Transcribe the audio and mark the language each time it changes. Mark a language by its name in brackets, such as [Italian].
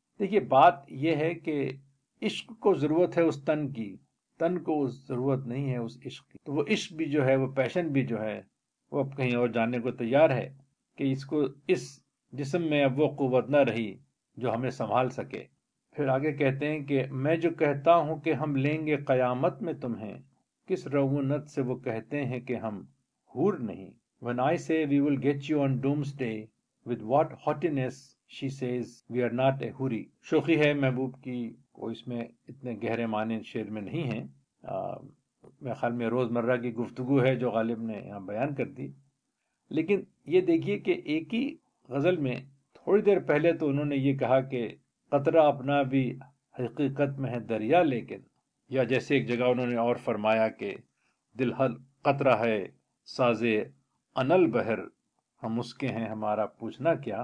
[Urdu] دیکھیے بات یہ ہے کہ عشق کو ضرورت ہے اس تن کی, تن کو اس ضرورت نہیں ہے اس عشق کی. تو وہ عشق بھی جو ہے, وہ پیشن بھی جو ہے, وہ اب کہیں اور جانے کو تیار ہے کہ اس کو اس جسم میں اب وہ قوت نہ رہی جو ہمیں سنبھال سکے. پھر آگے کہتے ہیں کہ میں جو کہتا ہوں کہ ہم لیں گے قیامت میں تمہیں, کس رعونت سے وہ کہتے ہیں کہ ہم حور نہیں. [English] When I say we will get you on doomsday, with what haughtiness she says we are not a huri. [Urdu] شوخی ہے محبوب کی, کوئی اس میں اتنے گہرے معنی شعر میں نہیں ہیں. میرے خیال میں روزمرہ کی گفتگو ہے جو غالب نے یہاں بیان کر دی. لیکن یہ دیکھیے کہ ایک ہی غزل میں تھوڑی دیر پہلے تو انہوں نے یہ کہا کہ قطرہ اپنا بھی حقیقت میں ہے دریا, لیکن یا جیسے ایک جگہ انہوں نے اور فرمایا کہ دل ہر قطرہ ہے سازے انل بہر, ہم اس کے ہیں ہمارا پوچھنا کیا.